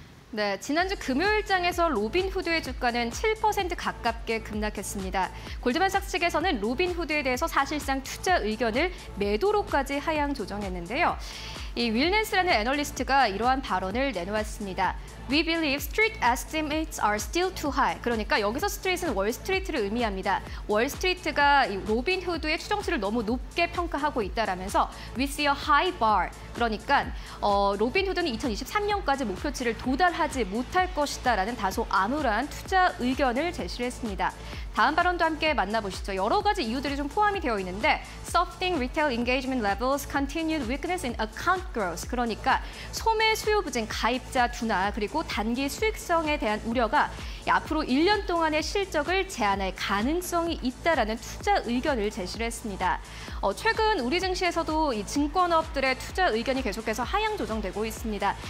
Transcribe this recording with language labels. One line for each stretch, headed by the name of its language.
Korean: 네, 지난주 금요일장에서 로빈후드의 주가는 7% 가깝게 급락했습니다. 골드만삭스 측에서는 로빈후드에 대해서 사실상 투자 의견을 매도로까지 하향 조정했는데요. 이 윌넨스라는 애널리스트가 이러한 발언을 내놓았습니다.
English: We believe street estimates are still too high.
Korean: 그러니까 여기서 스트릿은 월스트리트를 의미합니다. 월스트리트가 이 로빈 후드의 추정치를 너무 높게 평가하고 있다라면서
English: We see a high bar.
Korean: 그러니까 로빈 후드는 2023년까지 목표치를 도달하지 못할 것이다 라는 다소 암울한 투자 의견을 제시했습니다. 다음 발언도 함께 만나보시죠. 여러 가지 이유들이 좀 포함이 되어 있는데
English: softening retail engagement levels, continued weakness in account growth.
Korean: 그러니까 소매 수요 부진, 가입자 둔화, 그리고 단기 수익성에 대한 우려가 앞으로 1년 동안의 실적을 제한할 가능성이 있다라는 투자 의견을 제시했습니다. 최근 우리 증시에서도 이 증권업들의 투자 의견이 계속해서 하향 조정되고 있습니다.